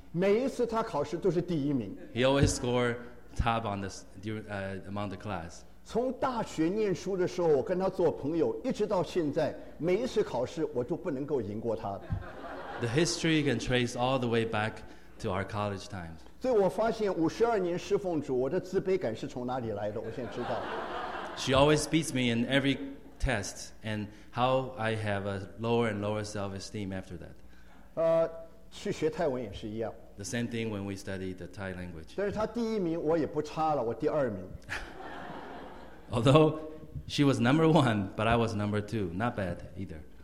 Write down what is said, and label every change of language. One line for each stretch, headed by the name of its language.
Chinese: 每一次他考试都是第一名。
English: He always scored top on the among the class.
Chinese: 从大学念书的时候，我跟他做朋友，一直到现在，每一次考试我都不能够赢过他。
English: The history can trace all the way back to our college times.
Chinese: 所以我发现五十二年侍奉主，我的自卑感是从哪里来的？我现在知道。
English: She always beats me in every test, and how I have a lower and lower self-esteem after that.
Chinese: 去学泰文也是一样。
English: The same thing when we study the Thai language.
Chinese: 但是他第一名我也不差了，我第二名。
English: Although she was number one, but I was number two. Not bad either.